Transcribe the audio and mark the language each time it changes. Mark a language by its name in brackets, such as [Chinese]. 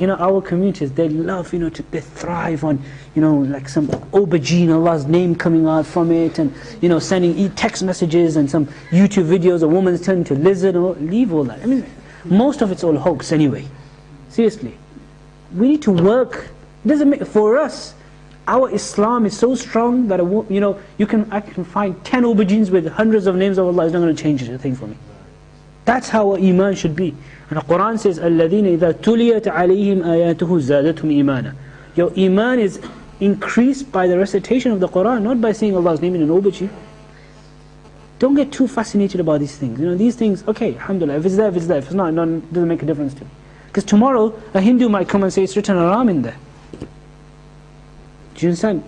[English] You know, our communities, they love, you know, they thrive on, you know, like some aubergine, Allah's name coming out from it, and, you know, sending text messages and some YouTube videos, a woman's turning to lizard, or leave all that. I mean, most of it's all hoax anyway. Seriously. We need to work. Doesn't make, for us, our Islam is so strong that, I can find 10 aubergines with hundreds of names of Allah. It's not going to change a thing for me. That's how our iman should be. [Arabic] And the Quran says, الَّذِينَ إِذَا تُلِيَتْ عَلَيْهِمْ آيَاتُهُ زَادَتْهُمْ إِيمَانًا. [English] Your iman is increased by the recitation of the Quran, not by saying Allah's name in an aubergine. Don't get too fascinated about these things. You know, these things, okay, alhamdulillah, if it's there, if it's not, it doesn't make a difference to me. Because tomorrow, a Hindu might come and say, it's written Haram in there. Do you understand?